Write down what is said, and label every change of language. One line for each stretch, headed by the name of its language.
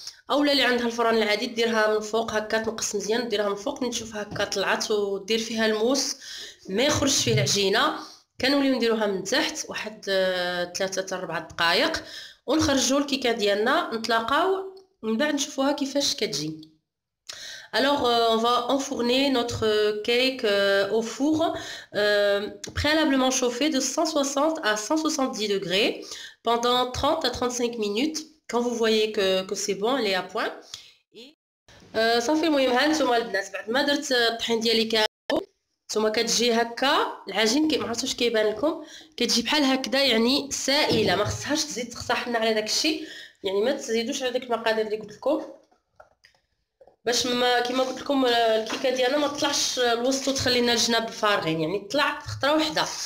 Arabic: اولا اللي عندها الفران العادي ديرها من فوق هكا، تنقص مزيان ديرها من فوق نشوفها هكا طلعت، ودير فيها الموس ما يخرجش فيه العجينه. كنوليو نديروها من تحت واحد 3 حتى 4 دقائق ونخرجوا الكيكه ديالنا، نتلاقاو من بعد نشوفوها كيفاش كتجي.
French: Alors on va enfourner notre cake au four préalablement chauffé de 160 à 170 degrés pendant 30 à 35 minutes. Quand vous voyez que c'est bon, elle est à point. Et ça fait moi hein, sur moi
Arabic: البنات بعد ما درت الطحين ديالي كامل، ثم كتجي هكا العجين كي ما عرفتوش كيبان لكم، كتجي بحال هكذا يعني سائله، ما خصهاش تزيد. صححنا على داك الشيء يعني ما تزيدوش على داك المقادير اللي قلت لكم، باش ما كيما قلت لكم الكيكه ديالنا ما تطلعش الوسط وتخلي لنا الجناب فارغين، يعني تطلع خطره واحده.